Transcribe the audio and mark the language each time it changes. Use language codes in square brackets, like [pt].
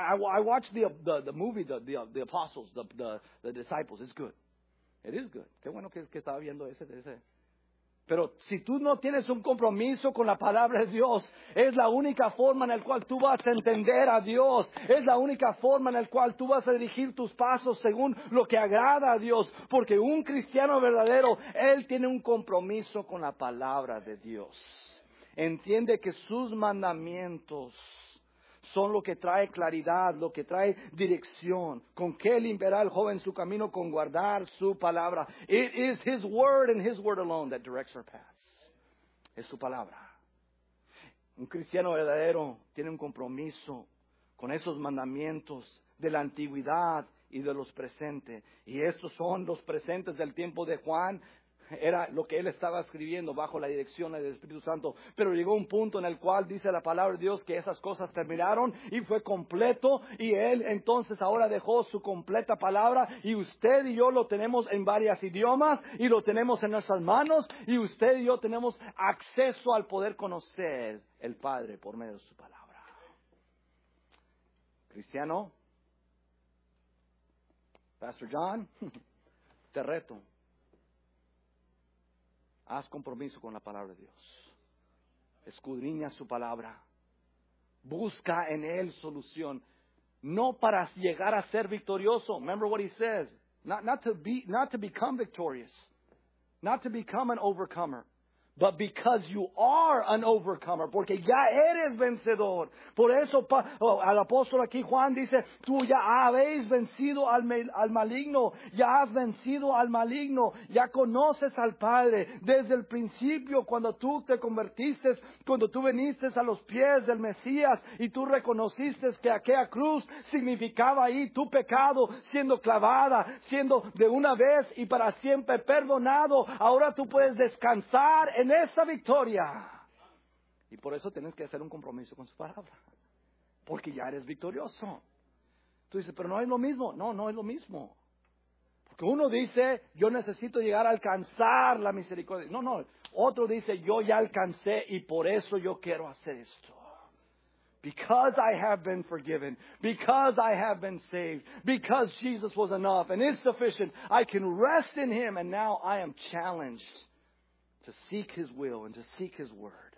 [en] I watched the movie, the apostles, the disciples. It's good. It is good. [es] Qué bueno que estaba viendo ese. Pero si tú no tienes un compromiso con la palabra de Dios, es la única forma en la cual tú vas a entender a Dios. Es la única forma en la cual tú vas a dirigir tus pasos según lo que agrada a Dios. Porque un cristiano verdadero, él tiene un compromiso con la palabra de Dios. Entiende que sus mandamientos son lo que trae claridad, lo que trae dirección. ¿Con qué limpiará el joven su camino? Con guardar su palabra. [en] It is his word and his word alone that directs our paths. [es] Es su palabra. Un cristiano verdadero tiene un compromiso con esos mandamientos de la antigüedad y de los presentes. Y estos son los presentes del tiempo de Juan. Era lo que él estaba escribiendo bajo la dirección del Espíritu Santo. Pero llegó un punto en el cual dice la palabra de Dios que esas cosas terminaron y fue completo. Y él entonces ahora dejó su completa palabra. Y usted y yo lo tenemos en varios idiomas y lo tenemos en nuestras manos. Y usted y yo tenemos acceso al poder conocer el Padre por medio de su palabra. Cristiano, Pastor John, te reto. Haz compromiso con la palabra de Dios. Escudriña su palabra. Busca en él solución. No para llegar a ser victorioso. [en] Remember what he says. Not to become victorious. Not to become an overcomer. But because you are an overcomer. [es] Porque ya eres vencedor. Por eso al apóstol aquí Juan dice, tú ya habéis vencido al maligno. Ya has vencido al maligno. Ya conoces al Padre. Desde el principio, cuando tú te convertiste, cuando tú viniste a los pies del Mesías y tú reconociste que aquella cruz significaba ahí tu pecado siendo clavada, siendo de una vez y para siempre perdonado. Ahora tú puedes descansar en esa victoria. Y por eso tienes que hacer un compromiso con su palabra. Porque ya eres victorioso. Tú dices, pero no es lo mismo. No, no es lo mismo. Porque uno dice, yo necesito llegar a alcanzar la misericordia. No, no. Otro dice, yo ya alcancé y por eso yo quiero hacer esto. [en] Because I have been forgiven. Because I have been saved. Because Jesus was enough and is sufficient. I can rest in him and now I am challenged to seek his will and to seek his word.